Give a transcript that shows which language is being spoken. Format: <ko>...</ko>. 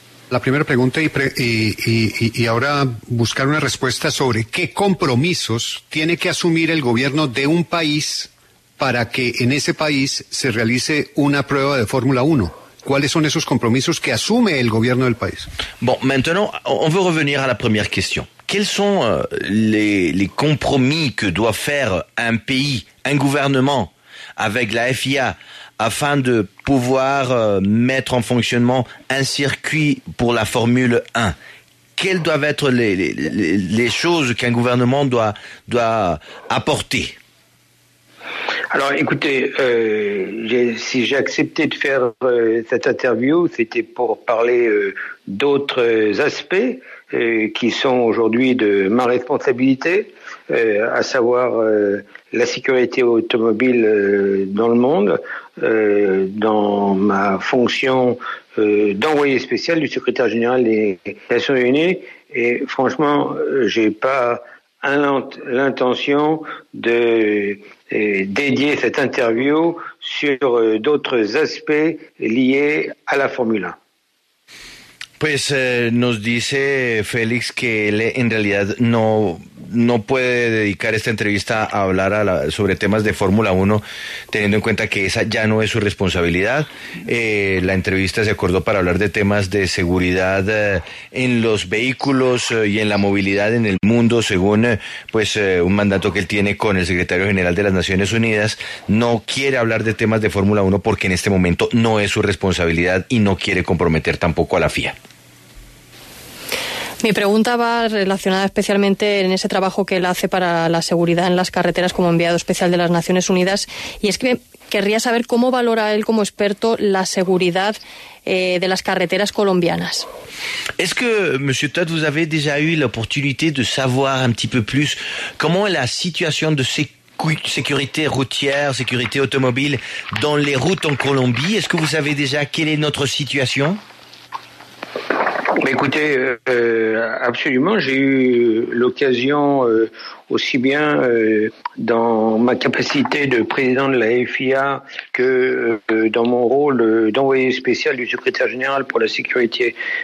<es>La primera pregunta y ahora buscar una respuesta sobre qué compromisos tiene que asumir el gobierno de un país para que en ese país se realice una prueba de Fórmula 1. ¿Cuáles son esos compromisos que asume el gobierno del país?</es> <fr>Bon, maintenant, on veut revenir à la première question. Quels sont les compromis que doit faire un pays, un gouvernement, avec la FIA afin de pouvoir mettre en fonctionnement un circuit pour la Formule 1. Quelles doivent être les choses qu'un gouvernement doit apporter? Alors, écoutez, si j'ai accepté de faire cette interview, c'était pour parler d'autres aspects qui sont aujourd'hui de ma responsabilité, à savoir la sécurité automobile dans le monde, dans ma fonction d'envoyé spécial du secrétaire général des Nations Unies. Et franchement, j'ai pas l'intention de dédier cette interview sur d'autres aspects liés à la Formule 1.</fr> <es>Pues nos dice Félix que él en realidad no puede dedicar esta entrevista a hablar sobre temas de Fórmula 1, teniendo en cuenta que esa ya no es su responsabilidad. La entrevista se acordó para hablar de temas de seguridad en los vehículos y en la movilidad en el mundo, según un mandato que él tiene con el secretario general de las Naciones Unidas. No quiere hablar de temas de Fórmula 1 porque en este momento no es su responsabilidad y no quiere comprometer tampoco a la FIA. Mi pregunta va relacionada especialmente en ese trabajo que él hace para la seguridad en las carreteras como enviado especial de las Naciones Unidas, y es que querría saber cómo valora él como experto la seguridad de las carreteras colombianas.</es> <fr>Est-ce que monsieur Todd, vous avez déjà eu l'opportunité de savoir un petit peu plus comment est la situation de sécurité routière, sécurité automobile dans les routes en Colombie? Est-ce que vous savez déjà quelle est notre situation? Écoutez, absolument, j'ai eu l'occasion aussi bien dans ma capacité de président de la FIA que dans mon rôle d'envoyé spécial du secrétaire général pour la sécurité</fr>